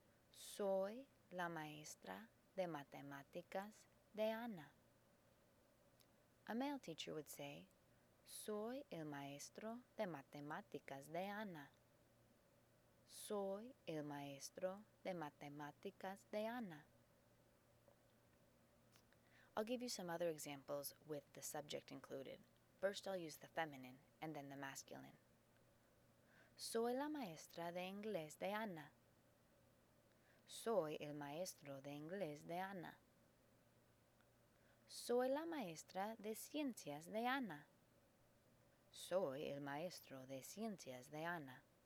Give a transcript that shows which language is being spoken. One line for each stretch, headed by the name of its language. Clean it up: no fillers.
Spanish: Soy la maestra de matemáticas de Ana.
English: A male teacher would say,
Spanish: Soy el maestro de matemáticas de Ana. Soy el maestro de matemáticas de Ana.
English: I'll give you some other examples with the subject included. First, I'll use the feminine and then the masculine.
Spanish: Soy la maestra de inglés de Ana. Soy el maestro de inglés de Ana. Soy la maestra de ciencias de Ana. Soy el maestro de ciencias de Ana.